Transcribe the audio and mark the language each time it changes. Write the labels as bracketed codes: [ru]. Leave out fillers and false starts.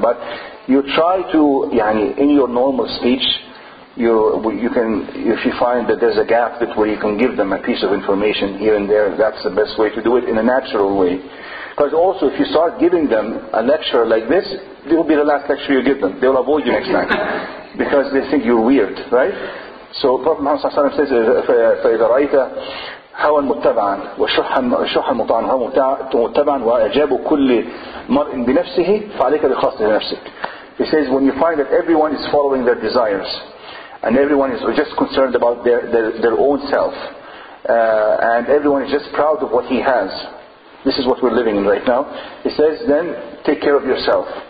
[en] But you try to, yani, in your normal speech, if you find that there's a gap that where you can give them a piece of information here and there, that's the best way to do it in a natural way. Because also, if you start giving them a lecture like this, it will be the last lecture you give them. They will avoid you next time because they think you're weird, right? So Prophet Muhammad says, [ar] "فَإِذَا رَأَيْتَ هوى متبعا وشح مطاعا متبعا وأجاب كل مرء بنفسه فعليك بخاصة نفسك." [en] He says, when you find that everyone is following their desires and everyone is just concerned about their own self, and everyone is just proud of what he has, this is what we're living in right now, he says, then take care of yourself.